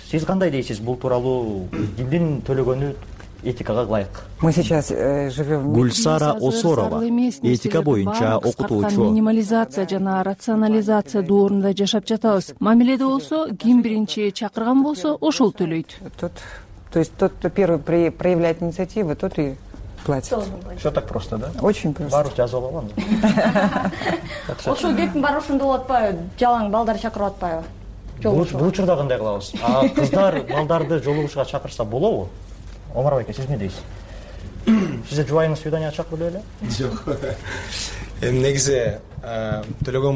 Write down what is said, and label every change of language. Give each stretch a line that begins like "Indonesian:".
Kyrgyz: Сиз кандай дейсиз бул тууралуу? Кимдин төлөгөнү этикага ылайык?
Russian: Мы сейчас живем...
Kyrgyz: Гульсара Осорова, этика боюнча окутуучу. Минимализация жана рационализация доорунда жашап жатабыз. Мамиледе болсо, ким биринчи чакырган болсо, ошол төлөйт.
Russian: Тот, кто первый проявляет инициативу, тот и платит. Все так просто, да? Очень просто.
Kyrgyz: Бару жазып алам. Ошол кептин баары ошондой болуп атпайбы? Жалаң балдар чакырып атпайбы? Бул учурда кандай кылабыз? А кыздар балдарды жолугушууга чакырса болобу? Омар байке, сиз эмне дейсиз? Сизге жубайыңыз свиданияга чакырды беле? Жок. Эми негизи төлөгөн